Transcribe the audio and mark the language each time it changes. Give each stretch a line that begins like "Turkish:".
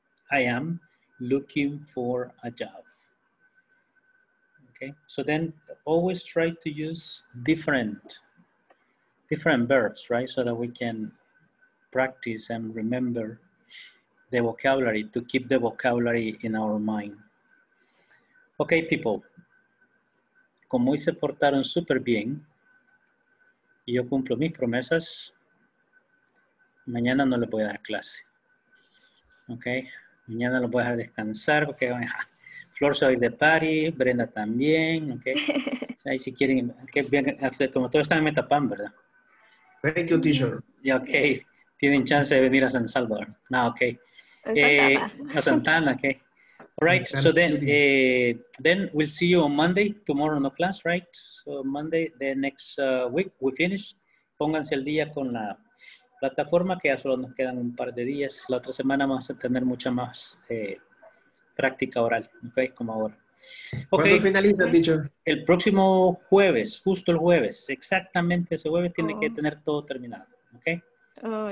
English: I am looking for a job. Okay, so then always try to use different verbs, right? So that we can practice and remember the vocabulary, to keep the vocabulary in our mind. Okay, people.
Spanish: Como hoy se portaron súper bien, y yo cumplo mis promesas, mañana no les voy a dar clase. Okay, mañana los voy a dejar descansar, porque okay, Flor se va a ir de party, Brenda también, okay. O sea, y si quieren, que okay, como todos están en Metapan, ¿verdad?
English: Thank you, teacher.
Spanish: Yeah, okay, tienen chance de venir a San Salvador. No, okay. Santana, okay.
English: All right, so then we'll see you on Monday, tomorrow no class, right? So Monday, the next week, we finish.
Spanish: Pónganse el día con la plataforma, que ya solo nos quedan un par de días. La otra semana vamos a tener mucha más práctica oral, ¿ok? Como ahora. Okay. ¿Cuándo finaliza, teacher? El próximo jueves, justo el jueves, exactamente ese jueves tiene que tener todo terminado, ¿ok?